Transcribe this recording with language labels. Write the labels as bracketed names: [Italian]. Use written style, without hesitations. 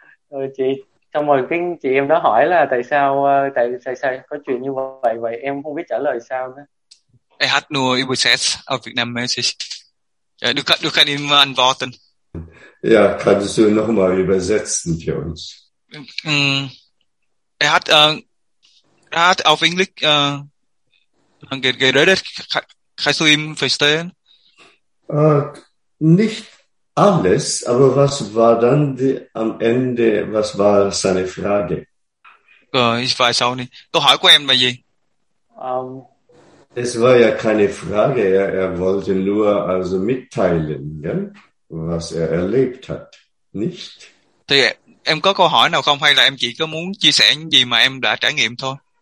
[Vietnamese] Rồi chị xong rồi cái chị em đó hỏi là tại sao có chuyện như vậy, vậy em không biết trả lời sao nữa. [English] I had no access of Vietnam message. [German] Ja, du kannst ihn mal antworten. Ja, kannst du noch mal übersetzen für uns? Er hat auf Englisch geredet. Kannst du ihn verstehen? Nicht alles, aber was war dann am Ende, was war seine Frage? Ich weiß auch nicht. Du hast ihn bei dir. Es war ja keine Frage, er wollte nur also mitteilen, ja, was er erlebt hat, nicht? [Vietnamese] Thì em có câu hỏi nào không, hay là em chỉ có muốn chia sẻ những gì mà em đã trải nghiệm thôi?